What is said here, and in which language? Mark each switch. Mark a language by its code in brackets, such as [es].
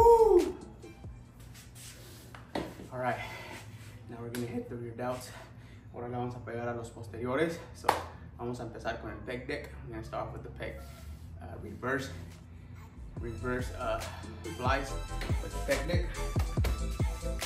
[en] Alright, now we're gonna hit the rear delts. [es] Ahora le vamos a pegar a los posteriores. So, vamos a empezar con el pec deck. [en] I'm gonna start off with the pec reverse. Reverse replies with the pec deck.